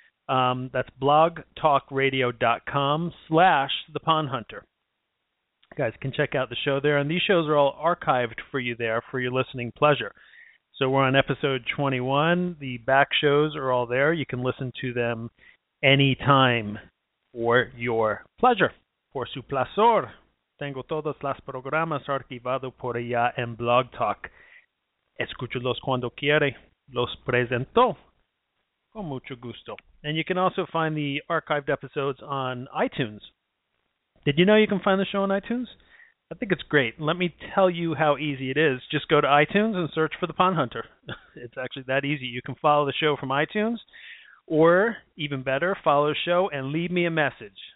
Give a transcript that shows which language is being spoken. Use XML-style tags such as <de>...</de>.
<en>That's blogtalkradio.com/thepondhunter. You guys can check out the show there, and these shows are all archived for you there for your listening pleasure. So we're on episode 21. The back shows are all there. You can listen to them anytime for your pleasure.</en> <es>Por su placer, tengo todos los programas archivados por allá en Blog Talk. Escúchalos cuando quiere. Los presento con mucho gusto.</es> <en>And you can also find the archived episodes on iTunes. Did you know you can find the show on iTunes? I think it's great. Let me tell you how easy it is. Just go to iTunes and search for The Pond Hunter. It's actually that easy. You can follow the show from iTunes, or even better, follow the show and leave me a message.</en>